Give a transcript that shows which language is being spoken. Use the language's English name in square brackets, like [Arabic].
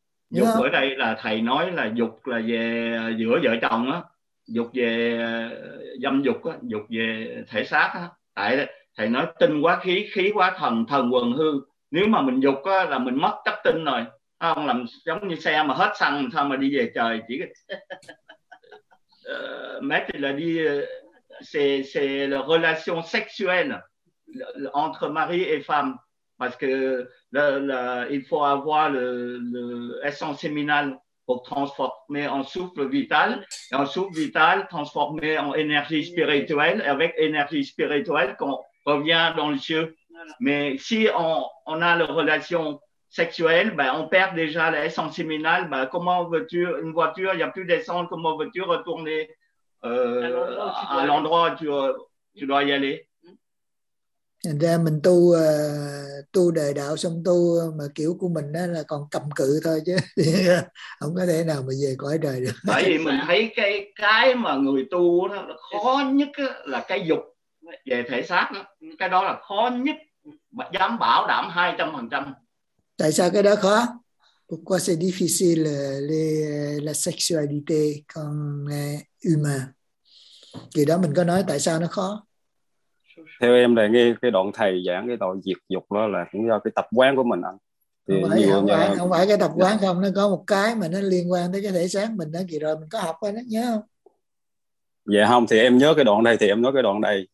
[Vietnamese] Dục ở đây là thầy nói là dục là về giữa vợ chồng á, dục về dâm dục á, dục về thể xác á. Tại thầy nói tinh quá khí, khí quá thần, thần quần hư. Nếu mà mình dục á là mình mất chất tinh rồi. Không làm giống như xe mà hết xăng sao mà đi về trời, chỉ mét là đi. [French] C'est la relation sexuelle entre mari et femme, parce que il faut avoir le essence séminale pour transformer en souffle vital, et en souffle vital transformé en énergie spirituelle, et avec énergie spirituelle qu'on revient dans le ciel. Mais si on a la relation sexuelle, ben on perd déjà l'essence séminale. Ben comment veux-tu une voiture, il n'y a plus d'essence, comment veux-tu retourner à l'endroit où tu dois y aller. [Vietnamese] Ra mình tu tu đời đạo xong tu mà kiểu của mình đó là còn cầm cự thôi chứ không có thể nào mà về cõi trời được. Bởi vì mình thấy cái mà người tu đó là khó nhất là cái dục về thể xác đó. Cái đó là khó nhất mà dám bảo đảm 200%. Tại sao cái đó khó? [French] Pourquoi c'est difficile la sexualité quand humain? [Vietnamese] Vì đó mình có nói tại sao nó khó. Theo em là nghe cái đoạn thầy giảng cái tội diệt dục đó là cũng do cái tập quán của mình ạ. Không phải cái tập quán không, nó có một cái mà nó liên quan tới cái thể xác mình đó. Kìa rồi mình có học rồi đó, nhớ không? Dạ không, thì em nhớ cái đoạn này, thì em nói cái đoạn này.